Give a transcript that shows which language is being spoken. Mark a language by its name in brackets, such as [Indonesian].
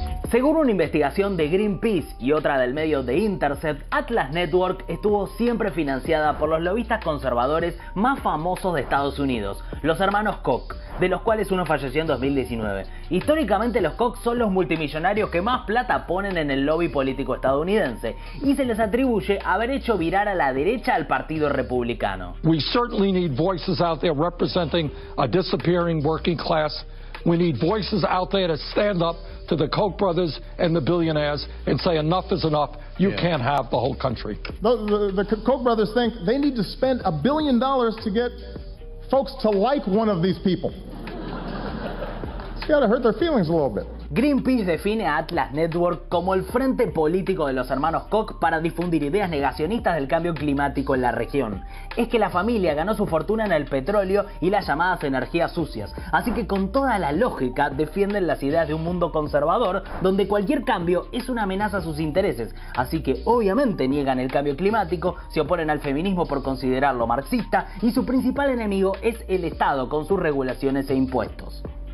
[Spanish] Según una investigación de Greenpeace y otra del medio The Intercept, Atlas Network estuvo siempre financiada por los lobistas conservadores más famosos de Estados Unidos, los hermanos Koch, de los cuales uno falleció en 2019. Históricamente los Koch son los multimillonarios que más plata ponen en el lobby político estadounidense y se les atribuye haber hecho virar a la derecha al Partido Republicano. [English] We certainly need voices out there representing a disappearing working class. We need voices out there to stand up to the Koch brothers and the billionaires and say enough is enough. You can't have the whole country. The Koch brothers think they need to spend $1 billion to get folks to like one of these people. It's got to hurt their feelings a little bit. [Spanish] Greenpeace define a Atlas Network como el frente político de los hermanos Koch para difundir ideas negacionistas del cambio climático en la región. Es que la familia ganó su fortuna en el petróleo y las llamadas energías sucias, así que con toda la lógica defienden las ideas de un mundo conservador donde cualquier cambio es una amenaza a sus intereses, así que obviamente niegan el cambio climático, se oponen al feminismo por considerarlo marxista y su principal enemigo es el Estado con sus regulaciones e impuestos.